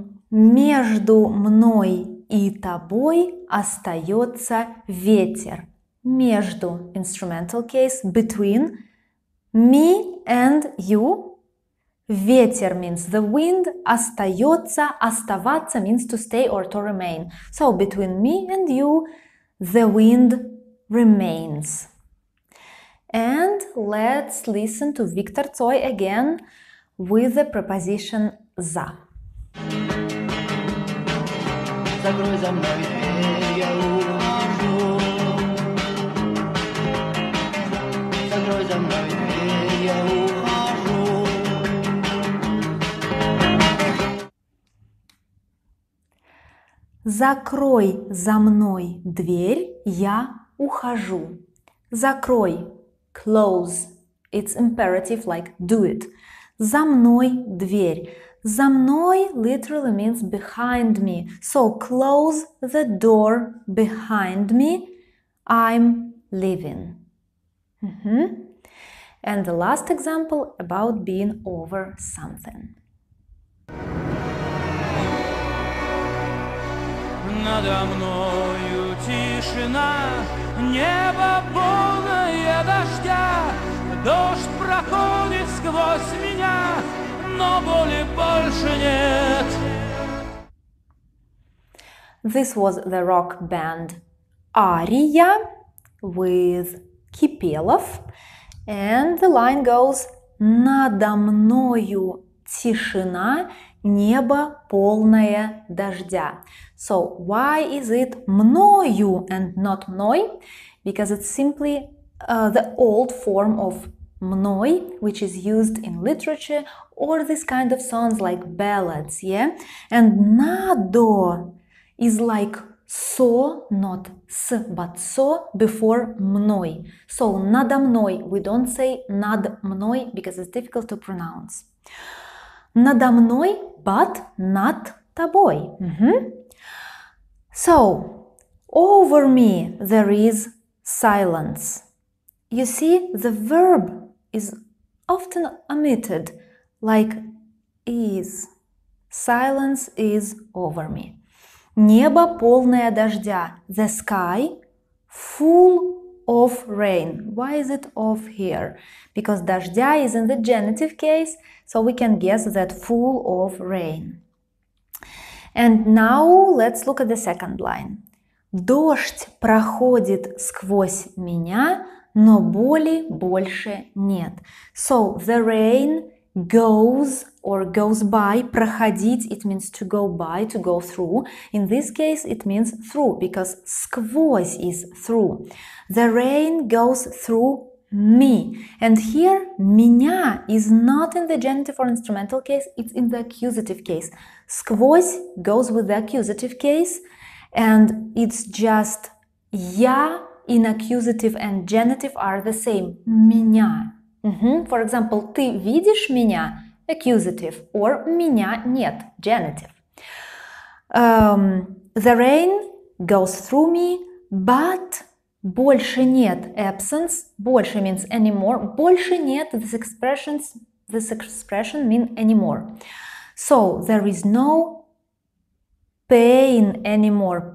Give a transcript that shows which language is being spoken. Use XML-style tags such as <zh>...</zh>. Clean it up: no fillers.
<ru>Между мной и тобой остается ветер. Между,</ru> <en>instrumental case, between, Me and you. Ветер means the wind.</en> <ru>Остается, оставаться</ru> <en>means to stay or to remain. So between me and you, the wind remains. And let's listen to Виктор Цой again with the preposition за.</en> <ru>Закрой за мной дверь, я ухожу. Закрой за мной дверь, я ухожу. Закрой за мной дверь, я ухожу. Закрой.</ru> <en>Close. It's imperative, like do it.</en> <ru>За мной дверь. За мной</ru> <en>literally means behind me. So close the door behind me. I'm leaving. Mm-hmm. And the last example about being over something.</en> <ru>Надо мною тишина, небо полное дождя. Дождь проходит сквозь меня, но боли больше нет.</ru> <en>This was the rock band Aria with Kipelov. And the line goes,</en> <ru>надо мною тишина, небо полное дождя.</ru> <en>So why is it мною and not мной? Because it's simply the old form of мной, which is used in literature or this kind of songs like ballads, yeah? And надо is like со, not с, but со before мной. So</en> <ru>надо мной,</ru> <en>we don't say</en> <ru>над мной</ru> <en>because it's difficult to pronounce.</en> <ru>Надо мной, but над тобой. Mm-hmm.</ru> <en>So, over me there is silence. You see, the verb is often omitted, like is. Silence is over me.</en> <ru>Небо полное дождя.</ru> <en>The sky full of rain. Why is it off here? Because дождя is in the genitive case, so we can guess that full of rain. And now let's look at the second line.</en> <ru>Дождь проходит сквозь меня, но боли больше нет.</ru> <en>So the rain goes or goes by. Проходить, it means to go by, to go through. In this case, it means through, because сквозь is through. The rain goes through me. And here, меня is not in the genitive or instrumental case, it's in the accusative case. Сквозь goes with the accusative case, and it's just я in accusative and genitive are the same.</en> <ru>Меня. Mm-hmm.</ru> <en>For example,</en> <ru>ты видишь меня?</ru> <en>Accusative. Or</en> <ru>меня нет?</ru> <en>Genitive. The rain goes through me, but</en> <ru>больше нет.</ru> <en>Absence. Больше means anymore.</en> <ru>Больше нет.</ru> <en>This expression mean anymore. So there is no pain anymore.</en>